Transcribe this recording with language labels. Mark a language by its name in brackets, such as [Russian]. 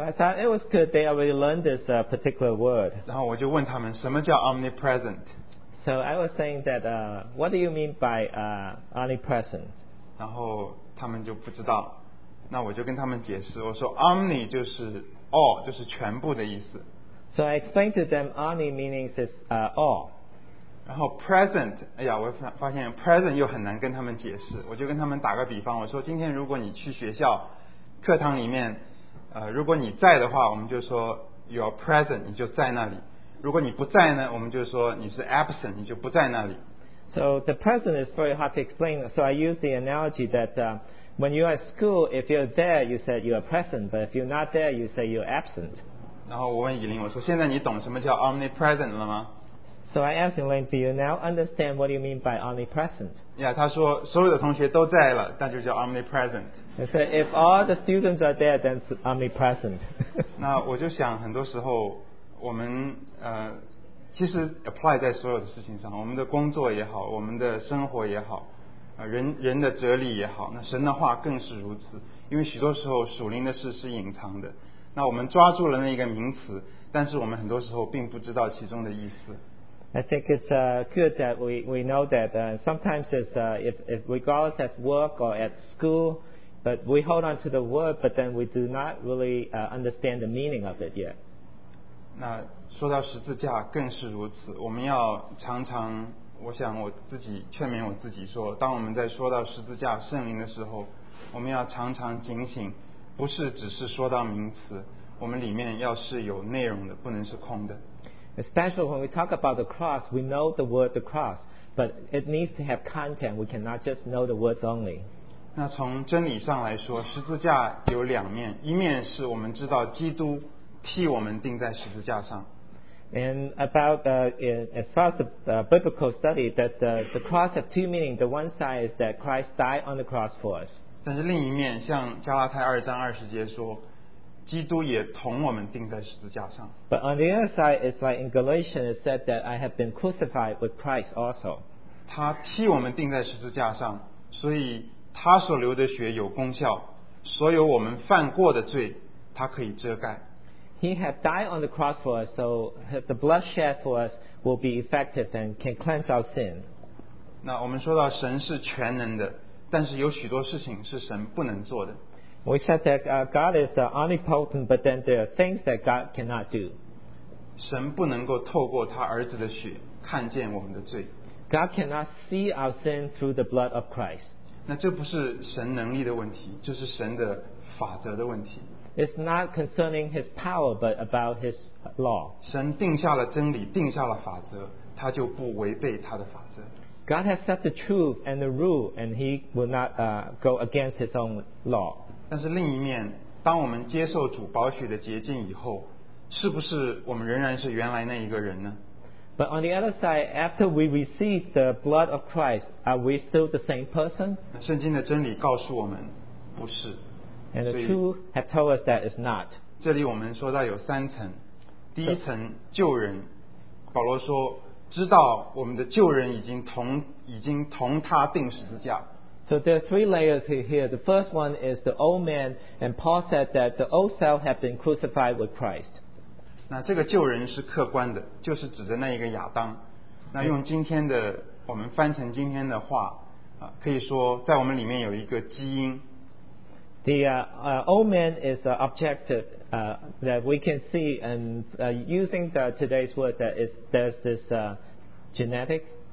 [English] I thought it was good they already learned this particular word. [Chinese] 然后我就问他们什么叫 omnipresent。 [English] So I was saying that, what do you mean by omnipresent? [Chinese] 然后他们就不知道，那我就跟他们解释，我说 omni 就是 all， 就是全部的意思。 [English] So I explained to them omni means is all. [Chinese] 然后 present， 哎呀，我发现 present 又很难跟他们解释，我就跟他们打个比方，我说今天如果你去学校课堂里面，如果你在的话，我们就说 [English] you are present， [Chinese] 你就在那里。如果你不在呢，我们就说你是 absent， 你就不在那里。 [English] So the present is very hard to explain. So I use the analogy that when you are at school, if you're there, you said you are present. But if you're not there, you say you're absent. [Chinese] 然后我问以琳，我说现在你懂什么叫 omnipresent 了吗？ [English] So I asked Yilin, do you now understand what you mean by omnipresent? Yeah, [Chinese] 他说所有的同学都在了，那就叫 omnipresent. [English] He said if all the students are there, then it's omnipresent. [Chinese] 那我就想很多时候我们其实 apply 在所有的事情上，我们的工作也好，我们的生活也好，人的哲理也好，那神的话更是如此。因为许多时候属灵的事是隐藏的，那我们抓住了那个名词，但是我们很多时候并不知道其中的意思。 [English] I think it's good that we know that sometimes it's if regardless at work or at school, but we hold on to the word, but then we do not really understand the meaning of it yet. [Chinese] 那说到十字架更是如此，我们要常常，我想我自己劝勉我自己说，当我们在说到十字架圣灵的时候，我们要常常警醒，不是只是说到名词，我们里面要是有内容的，不能是空的。 [English] Especially when we talk about the cross, we know the word the cross, but it needs to have content. We cannot just know the words only. [Chinese] 那从真理上来说，十字架有两面，一面是我们知道基督替我们钉在十字架上。 [English] And about as far as the biblical study, that the cross have two meanings. The one side is that Christ died on the cross for us. [Chinese] 但是另一面，像加拉太二章二十节说，基督也同我们钉在十字架上。 [English] But on the other side, it's like in Galatians, it said that I have been crucified with Christ also. [Chinese] 他替我们钉在十字架上，所以他所流的血有功效，所有我们犯过的罪，他可以遮盖。 [English] He had died on the cross for us, so the blood shed for us will be effective and can cleanse our sin. [Chinese] 那我们说到神是全能的，但是有许多事情是神不能做的。 [English] We said that God is omnipotent, but then there are things that God cannot do. [Chinese] 神不能够透过他儿子的血看见我们的罪。 [English] God cannot see our sin through the blood of Christ. [Chinese] 那这不是神能力的问题，这是神的法则的问题。 [English] It's not concerning his power, but about his law. [Chinese] 神定下了真理，定下了法则，他就不违背他的法则。 [English] God has set the truth and the rule, and he will not go against his own law. [Chinese] 但是另一面，当我们接受主宝血的洁净以后，是不是我们仍然是原来那一个人呢？ [English] But on the other side, after we receive the blood of Christ, are we still the same person? [Chinese] 圣经的真理告诉我们，不是。 [English] And the two have told us that it's not. [Chinese] 这里我们说到有三层，第一层旧人，保罗说知道我们的旧人已经同他钉十字架。 [English] So there are three layers here. The first one is the old man, and Paul said that the old self had been crucified with Christ. [Chinese] 那这个旧人是客观的，就是指着那一个亚当。那用今天的我们翻成今天的话，可以说在我们里面有一个基因。 [English] The old man is objective that we can see, and using today's word, that is, there's this genetic